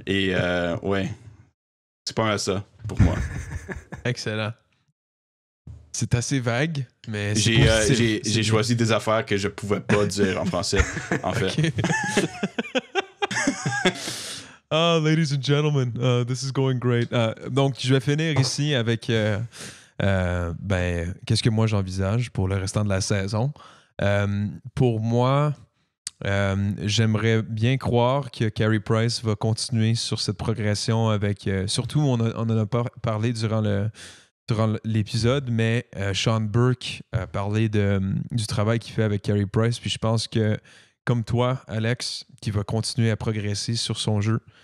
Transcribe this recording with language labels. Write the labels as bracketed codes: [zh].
[fr] Et ouais, c'est pas mal ça pour moi. Excellent. C'est assez vague, mais j'ai choisi des affaires que je pouvais pas dire en français, en fait. [en] Ah, oh, ladies and gentlemen, this is going great. [fr] Donc, je vais finir ici avec qu'est-ce que moi j'envisage pour le restant de la saison. Pour moi, j'aimerais bien croire que Carey Price va continuer sur cette progression avec. Surtout, on en a parlé durant l'épisode, mais Sean Burke a parlé du travail qu'il fait avec Carey Price, puis je pense que, comme toi, Alex, qui va continuer à progresser sur son jeu.